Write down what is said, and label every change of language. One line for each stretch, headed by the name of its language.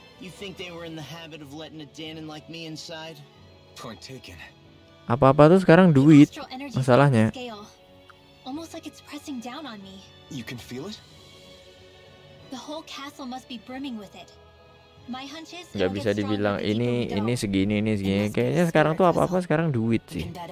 English: You think they were in the habit of letting a Danon like me inside? Point taken.
Indonesian: Apa-apa tuh sekarang duit masalahnya.
English: Almost like it's pressing down on me. You can feel it? The whole castle must be brimming with it.
Indonesian: Gak bisa dibilang ini segini, ini segini. Kayaknya sekarang tuh apa-apa sekarang duit sih.